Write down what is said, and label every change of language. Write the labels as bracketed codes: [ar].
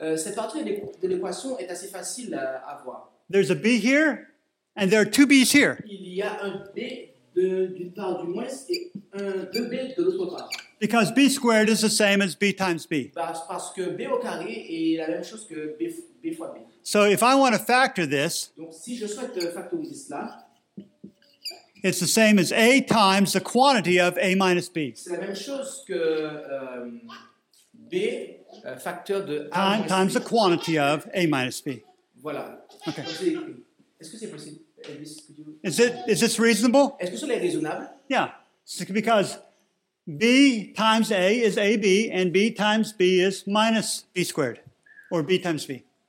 [fr] Cette partie de l'équation est assez facile à voir. [en] There's a B here, and there are two B's here. [fr] Il y a un B d'une part du moins et un deux B de l'autre part. [en] Because B squared is the same as B times B. [fr] Parce que B au carré est la même chose que B fois B. [en] So if I want to factor this, [fr] donc si je souhaite factoriser cela, [en] it's the same as A times the quantity of A minus B. [fr] C'est la même chose que B facteur de A [en] times, times B. The quantity of A minus B. [fr] Voilà. [en] Okay. [fr] Est-ce que c'est possible? [en] Is this reasonable? [fr] Est-ce que cela est raisonnable? [en] Yeah. So because B times A is AB, and B times B is minus B squared, or B times B.